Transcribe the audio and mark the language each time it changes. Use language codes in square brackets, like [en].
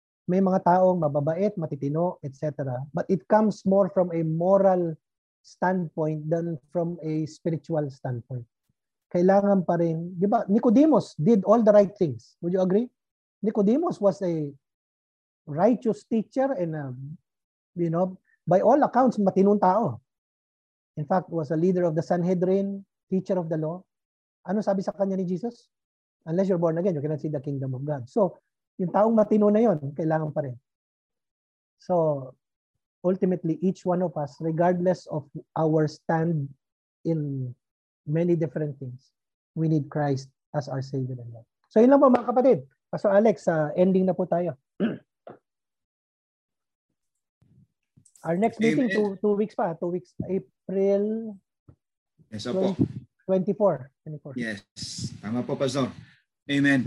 [tl] May mga taong mababait, matitino, etc. [en] But it comes more from a moral standpoint than from a spiritual standpoint. [tl] Kailangan pa rin, di ba, [en] Nicodemus did all the right things. Would you agree? Nicodemus was a righteous teacher and a, you know, by all accounts, [tl] matinong tao. [en] In fact, was a leader of the Sanhedrin, teacher of the law. [tl] Ano sabi sa kanya ni Jesus? [en] Unless you're born again, you cannot see the kingdom of God. So, [tl] yung taong matino na yon, kailangan pa rin. [en] So, ultimately, each one of us, regardless of our stand in many different things, we need Christ as our Savior and Lord. [tl] So, yun lang po mga kapatid. Pastor Alex, ending na po tayo. [en] Our next Amen. Meeting, two weeks, April... [tl] Yes, opo. 24. Yes. Tama po, Pastor. Amen.